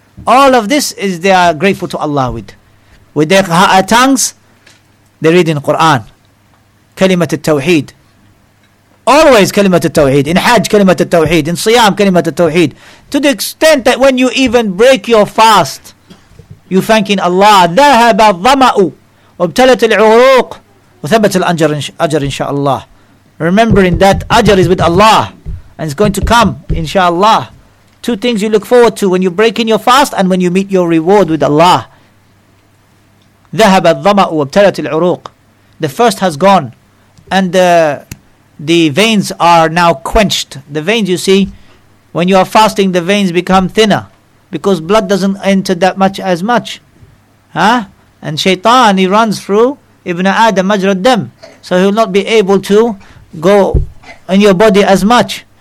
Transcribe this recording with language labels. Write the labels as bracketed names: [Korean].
[English] All of this is they are grateful to Allah with their tongues. They read in Quran كلمة التوحيد, always كلمة التوحيد. In Hajj كلمة التوحيد, in Siyam كلمة التوحيد. To the extent that when you even break your fast, you thanking Allah. [Arabic] ذهب الظمع وابتلت العروق وثبت الأجر أجر إن شاء الله. [English] Remembering that Ajr is with Allah and it's going to come, inshallah. Two things you look forward to when you break in your fast and when you meet your reward with Allah. [Arabic] ذهب الظمع وابتلت العروق. [English] The first has gone and the veins are now quenched. The veins, you see, when you are fasting, the veins become thinner because blood doesn't enter that much as much. Huh? And shaitan, he runs through Ibn Adam [Arabic] majra dam, [English] so he will not be able to go in your body as much.